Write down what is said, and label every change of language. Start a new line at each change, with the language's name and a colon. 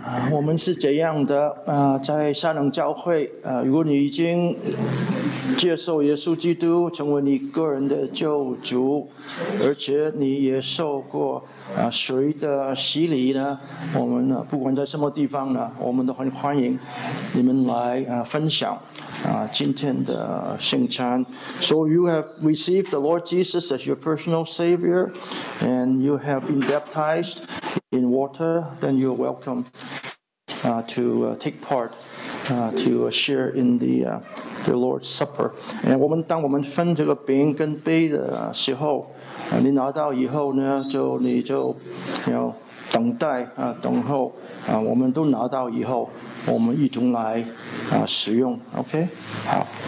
Chinese: 我们是怎样的在撒能教会如果你已经接受耶稣基督成为你个人的救主，而且你也受过水的洗礼呢，我们不管在什么地方呢，我们都很欢迎你们来分享今天的圣餐。
English: So you have received the Lord Jesus as your personal Savior and you have been baptized in water, then you're welcome to take part to share in the Lord's Supper.
Chinese: And 我们当我们分这个饼跟杯的时候，你拿到以后呢，你就等待等候我们都拿到以后，我们一同来使用。 OK， 好。